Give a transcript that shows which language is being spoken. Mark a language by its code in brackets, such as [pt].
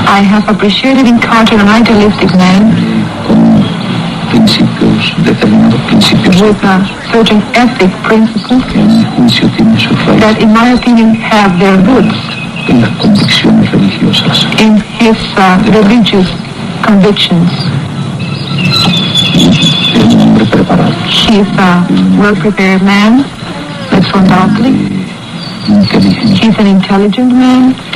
[en] I have appreciated in Carter an idealistic man. [es] Con principios, determinados principios. [en] With a certain ethic principles. [es] Que en mi juicio tiene su fallo. [en] That in my opinion have their roots. [es] En las convicciones religiosas. [en] In his religious convictions. [es] Es un hombre preparado. [en] He is a well-prepared man. That's undoubtedly. He's an intelligent man.